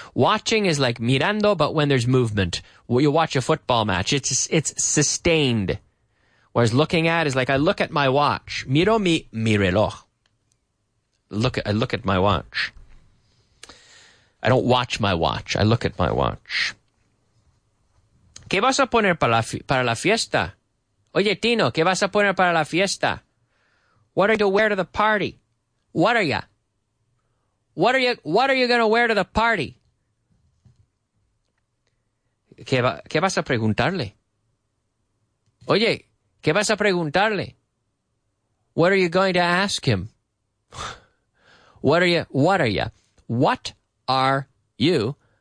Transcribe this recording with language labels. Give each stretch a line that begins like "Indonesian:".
English: Watching is like mirando, but when there's movement. When you watch a football match, it's sustained. Whereas looking at is like, I look at my watch.
Spanish: Miro mi reloj.
English: I look at my watch. I don't watch my watch. I look at my watch.
Spanish: ¿qué vas a poner para la fiesta? Oye, Tino, ¿qué vas a poner para la fiesta?
English: What are you wear to the party? What are ya? What are you, what are you going to wear to the party?
Spanish: ¿Qué vas a preguntarle? Oye, ¿qué vas a preguntarle?
English: What are you going to ask him? What are you?